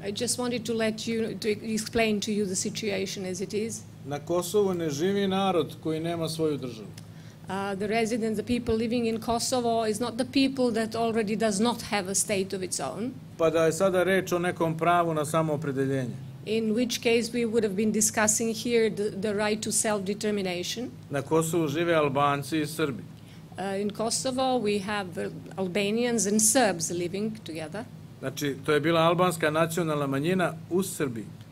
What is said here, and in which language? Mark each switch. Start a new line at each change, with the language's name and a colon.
English: I just wanted to let you to explain to you the situation as it is.
Serbian: Na Kosovu ne živi narod koji nema svoju državu.
English: The residents, the people living in Kosovo is not the people that already does not have a state of its own.
Serbian: Pa da je sada reč o nekom pravu na samoopredeljenje.
English: In which case we would have been discussing here the right to self-determination.
Serbian: Na Kosovu žive Albanci I Srbi.
English: In Kosovo we have Albanians and Serbs living together.
Serbian: Znači, to je bila albanska nacionalna manjina u Srbiji.